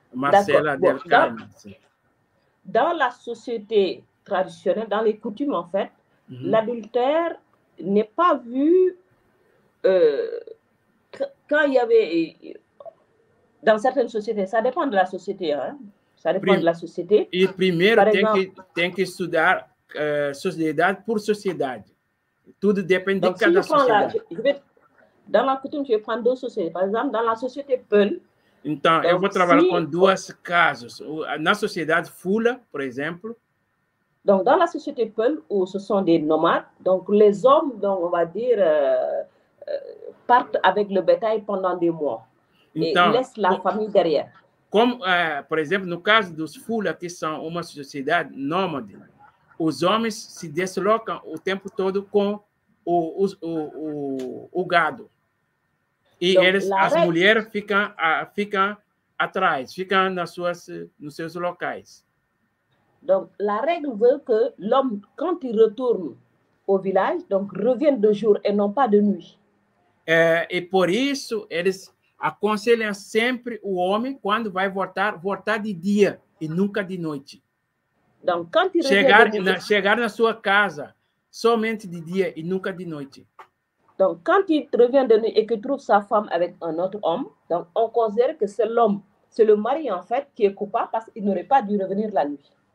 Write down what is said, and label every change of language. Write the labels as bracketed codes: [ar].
[fr] Marcella Delcarme. Dans la société traditionnelle, dans les coutumes, en fait, l'adultère n'est pas vu quand il y avait... Dans certaines sociétés, ça dépend de la société, hein. Ça dépend de la société. Et primaire, [pt] tem que estudar sociedade por sociedade. Tudo depende do cas [fr] de la société. Dans la coutume, je vais prendre deux sociétés. Par exemple, dans la société Peul. [pt] Então, eu vou trabalhar com dois casos. Na sociedade Fula, por exemplo. [fr] Donc, dans la société Peul, où ce sont des nomades, donc les hommes, donc, on va dire, partent avec le bétail pendant des mois. [pt] Então, e [fr] laissent la famille derrière. [pt] Como, por exemplo, no caso dos Fula, que são uma sociedade nômade, os homens se deslocam o tempo todo com o gado. E então, eles, as mulheres ficam atrás, ficam nos seus locais. [fr] Donc, la règle veut que l'homme, quand il retourne au village, donc revienne de jour et non pas de nuit. [pt] E por isso, eles aconselham sempre o homem, quando vai voltar de dia e nunca de noite. [fr] Donc, quand il [pt] chegar na sua casa somente de dia e nunca de noite. [fr] Donc, quand il revient de nuit et qu'il trouve sa femme avec un autre homme, donc on considère que c'est l'homme, c'est le mari en fait qui est coupable parce qu'il n'aurait pas dû revenir la nuit.